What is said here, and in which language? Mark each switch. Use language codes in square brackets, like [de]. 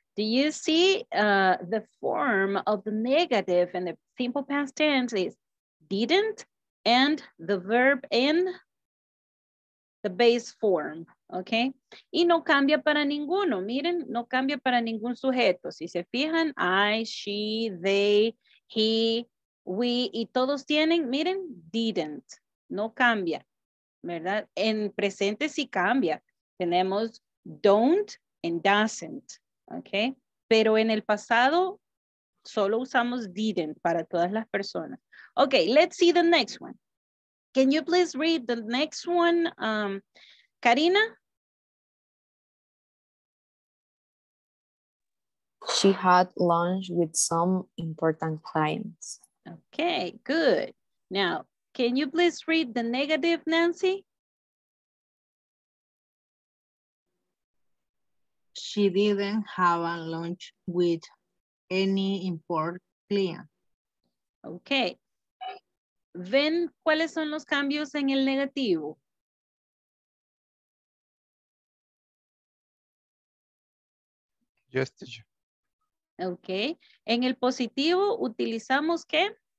[en] Do you see the form of the negative in the simple past tense is didn't and the verb in? The base form, okay? [es] Y no cambia para ninguno, miren, no cambia para ningún sujeto. Si se fijan, I, she, they, he, we, y todos tienen, miren, didn't, no cambia, ¿verdad? En presente sí cambia. Tenemos don't and doesn't, okay? Pero en el pasado solo usamos didn't para todas las personas. [en] Okay, let's see the next one. Can you please read the next one, Karina? She had lunch with some important clients. Okay, good. Now, can you please read the negative, Nancy? She didn't have a lunch with any important client. Okay. [es] ¿Ven cuáles son los cambios en el negativo? [en] Yes, teacher. [es] Ok. ¿En el positivo utilizamos qué?